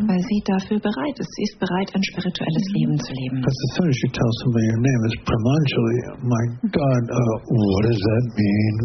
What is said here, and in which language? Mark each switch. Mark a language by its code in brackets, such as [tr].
[de] Weil sie dafür bereit ist. Sie ist bereit, ein spirituelles Leben zu leben. [en] But as soon as you tell somebody your name is Primangeli, my God, what does that mean?